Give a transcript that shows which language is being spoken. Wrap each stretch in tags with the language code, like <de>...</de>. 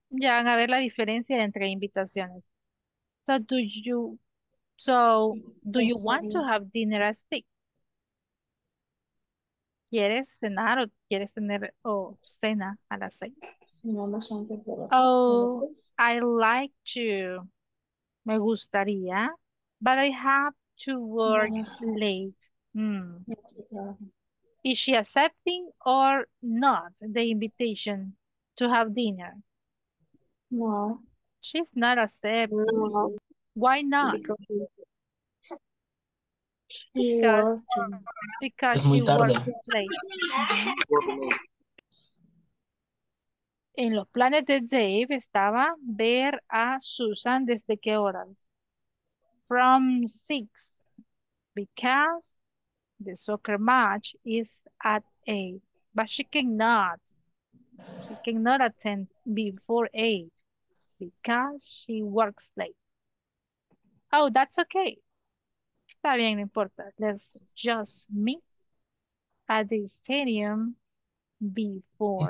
<es>Ya van a ver la diferencia entre invitaciones.</es> <en>So do you do you want to have dinner at 6?</en> <es>¿Quieres cenar o quieres tener cena a las 6? Cenamos antes de las 6.</es> <en>Oh, I like to.</en> <es>Me gustaría.</es> <en>But I have to work late. Is she accepting or not the invitation to have dinner? No. She's not accepting. No. Why not? Because she works late.</en> <es>En los planes de Dave estaba ver a Susan desde qué horas?</es> <en>From 6. Because the soccer match is at 8, but she cannot attend before 8 because she works late. Oh, that's okay.</en> <es>Está bien, no importa.</es> <en>Let's just meet at the stadium before.</en>